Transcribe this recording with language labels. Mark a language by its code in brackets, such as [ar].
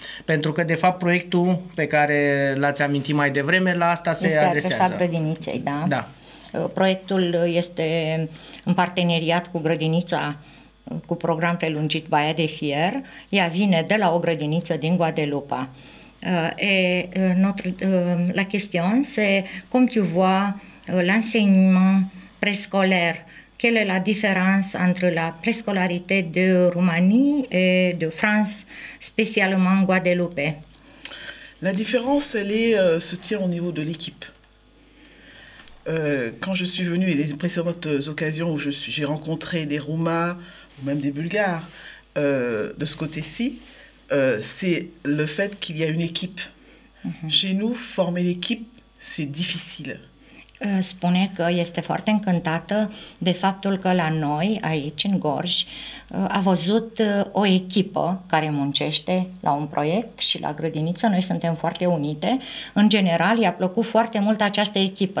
[ro] Pentru că, de fapt, proiectul pe care l-ați amintit mai devreme, la asta se adresează. Este adresat grădiniței, da? Da. Proiectul este în parteneriat cu grădinița, cu program prelungit Baia de Fier. Ea vine de la o grădiniță din Guadeloupe. [fr] La question se, cum tu vois l'enseignement préscolaire, quelle est la différence entre la préscolarité de Roumanie et de France, spécialement Guadeloupe? La différence, elle se tient au niveau de l'équipe. Quand je suis venue, et les précédentes occasions où j'ai rencontré des Roumains ou même des Bulgares de ce côté-ci, c'est le fait qu'il y a une équipe. Chez nous, former l'équipe, c'est difficile. [ro] Spune că este foarte încântată de faptul că la noi, aici, în Gorj, a văzut o echipă care muncește la un proiect și la grădiniță. Noi suntem foarte unite. În general, i-a plăcut foarte mult această echipă.